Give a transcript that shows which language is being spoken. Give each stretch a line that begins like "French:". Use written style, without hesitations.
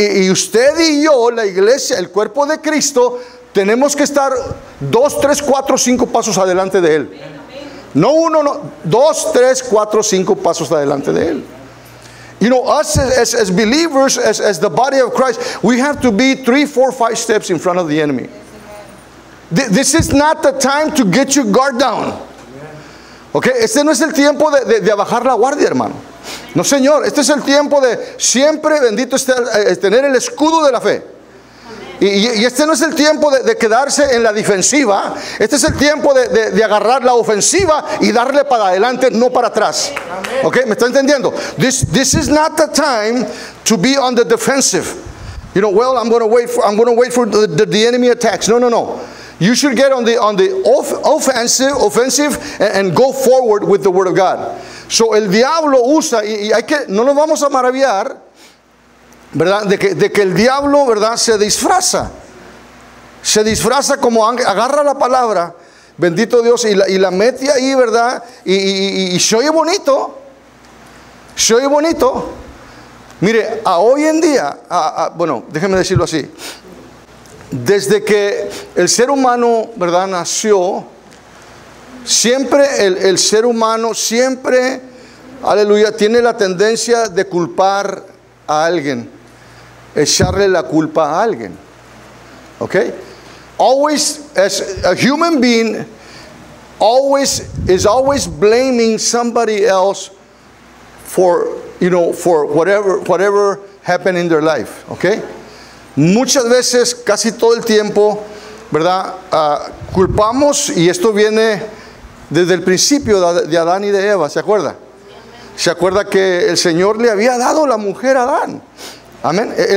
Spanish: Y usted y yo, la iglesia, el cuerpo de Cristo, tenemos que estar 2, 3, 4, 5 pasos adelante de él. No uno, no. 2, 3, 4, 5 pasos adelante de él.
English: You know, us as believers, as the body of Christ, we have to be 3, 4, 5 steps in front of the enemy. This is not the time to get your guard down.
Spanish: Okay, este no es el tiempo de bajar la guardia, hermano. No, señor, este es el tiempo de siempre, bendito esté, tener el escudo de la fe. Y este no es el tiempo de quedarse en la defensiva. Este es el tiempo de agarrar la ofensiva y darle para adelante, no para atrás. ¿Ok? ¿Me está entendiendo?
English: This is not the time to be on the defensive. You know, well, I'm going to wait for the enemy attacks. No. You should get on the offensive and go forward with the word of God.
Spanish: So el diablo usa y hay que no nos vamos a maravillar, ¿verdad? De que el diablo, ¿verdad?, se disfraza como agarra la palabra, bendito Dios, y la mete ahí, ¿verdad? Y se oye bonito. Mire, a hoy en día, bueno, déjeme decirlo así, desde que el ser humano, ¿verdad?, nació, siempre el ser humano siempre Aleluya, tiene la tendencia de culpar a alguien, echarle la culpa a alguien.
English: Okay? Always, as a human being, always blaming somebody else for, you know, for whatever happened in their life.
Spanish: Okay? Muchas veces, casi todo el tiempo, ¿verdad? Culpamos, y esto viene desde el principio de Adán y de Eva, ¿se acuerda? ¿Se acuerda que el Señor le había dado la mujer a Adán? Amén.